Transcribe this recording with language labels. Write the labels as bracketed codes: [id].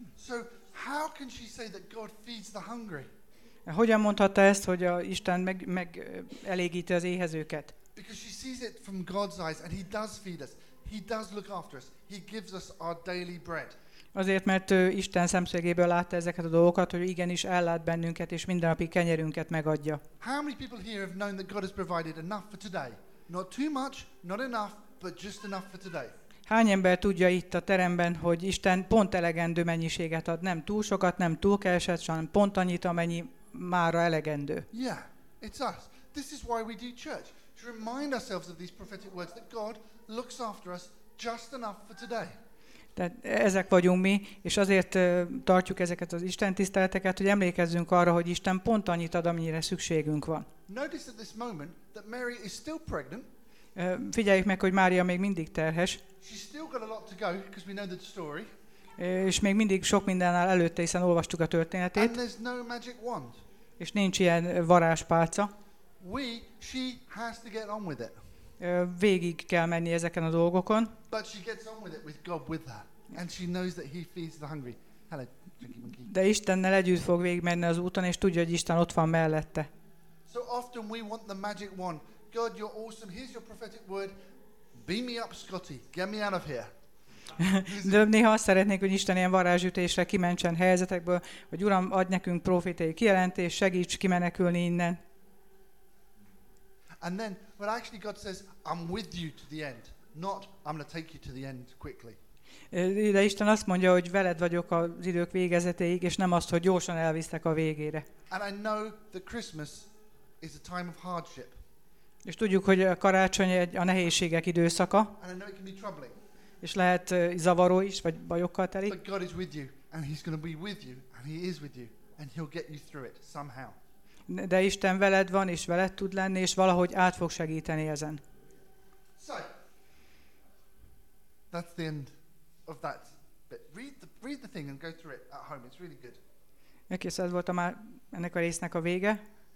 [en] So how can she say that God feeds the hungry? [hu] Hogyan mondhatta ezt, hogy a Isten meg elégíti az éhezőket? [en] Because she sees it from God's eyes, and he does feed us. He does look after us. He gives us our daily bread. [hu] Azért, mert Isten szemszögéből látta ezeket a dolgokat, hogy igenis ellát bennünket és mindennapi kenyerünket megadja. [en] How many people here have known that God has provided enough for today? Not too much, not enough, but just enough for today. [hu] Hány ember tudja itt a teremben, hogy Isten pont elegendő mennyiséget ad, nem túl sokat, nem túl keveset, hanem pont annyit, amennyi mára elegendő. [en] Yeah, it's us. This is why we do church. To remind ourselves of these prophetic words that God looks after us just enough for today. [hu] Tehát ezek vagyunk mi, és azért tartjuk ezeket az Isten tiszteleteket, hogy emlékezzünk arra, hogy Isten pont annyit ad, amennyire szükségünk van. [en] Notice at this moment that Mary is still pregnant. [hu] Figyeljük meg, hogy Mária még mindig terhes. [en] She's still got a lot to go, because we know the story. [hu] És még mindig sok mindennel előtte, hiszen olvastuk a történetét. [en] And there's no magic wand. [hu] És nincs ilyen varázspálca. [en] She has to get on with it. [hu] Végig kell menni ezeken a dolgokon. [en] But she gets on with it with God with her. And she knows that he feeds the hungry. Hello, [hu] de Istennel együtt fog végigmenni az úton, és tudja, hogy Isten ott van mellette. [en] So often we want the magic wand God, you're awesome. Here's your prophetic word. Beam me up, Scotty. Get me out of here. [hu] De néha azt szeretnék, hogy Isten ilyen varázsütésre kimentsen helyzetekből, hogy Uram, adj nekünk profétai kijelentést, segíts kimenekülni innen. [en] And then, but actually God says, I'm with you to the end, not I'm going to take you to the end quickly. [hu] De Isten azt mondja, hogy veled vagyok az idők végezetéig, és nem azt, hogy gyorsan elvisztek a végére. [en] And I know that Christmas is a time of hardship. [hu] És tudjuk, hogy a karácsony egy a nehézségek időszaka. [en] And I know it can be troubling. [hu] És lehet zavaró is, vagy bajokkal teli. [en] But God is with you, and he's going to be with you, and he is with you, and he'll get you through it somehow. [hu] De Isten veled van, és veled tud lenni, és valahogy át fog segíteni ezen. [en] So, that's the end of that. But read the thing and go through it at home. It's really good. [hu] Ez volt a már ennek a résznek a vége.